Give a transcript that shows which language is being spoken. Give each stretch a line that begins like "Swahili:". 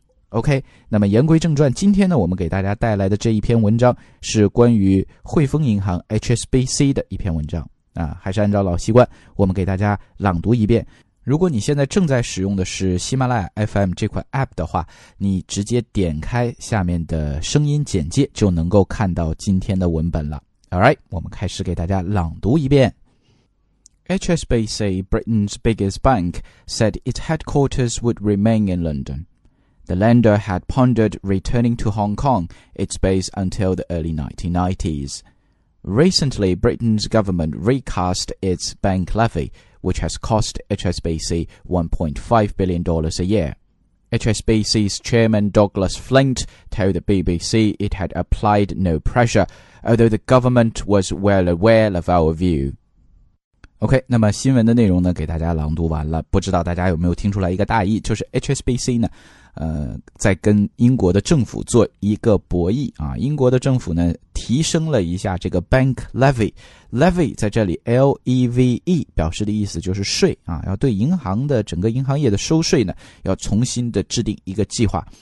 Chinese: OK, 那么言归正传，今天呢我们给大家带来的这一篇文章是关于汇丰银行 HSBC 的一篇文章啊，还是按照老习惯我们给大家朗读一遍。如果你现在正在使用的是喜马拉雅 FM 这款 APP 的话，你直接点开下面的声音简介就能够看到今天的文本了。 Alright, 我们开始给大家朗读一遍。
English: HSBC, Britain's biggest bank, said its headquarters would remain in London. The lender had pondered returning to Hong Kong, its base until the early 1990s. Recently, Britain's government recast its bank levy, which has cost HSBC $1.5 billion a year. HSBC's chairman Douglas Flint told the BBC it had applied no pressure, although the government was well aware of our view.
Chinese: OK, 那么新闻的内容呢给大家朗读完了，不知道大家有没有听出来一个大意，就是 HSBC 呢在跟英国的政府做一个博弈啊。英国的政府呢提升了一下这个 bank levy。 levy 在这里 ,L-E-V-E, 表示的意思就是税啊，要对银行的整个银行业的收税呢要重新的制定一个计划。